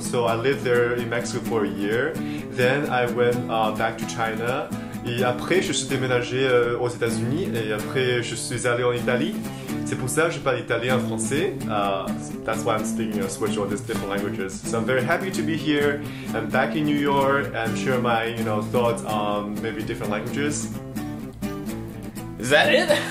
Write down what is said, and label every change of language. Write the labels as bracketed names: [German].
[English] So I lived there in Mexico for a year. Then I went back to China. [French] Et après, je suis déménagé aux États-Unis. Et après, je suis allé en Italie. C'est pour ça que je parle italien et français. [English] That's why I'm speaking a switch on these different languages. So I'm very happy to be here. I'm back in New York and share my, you know, thoughts on maybe different languages. Is that it?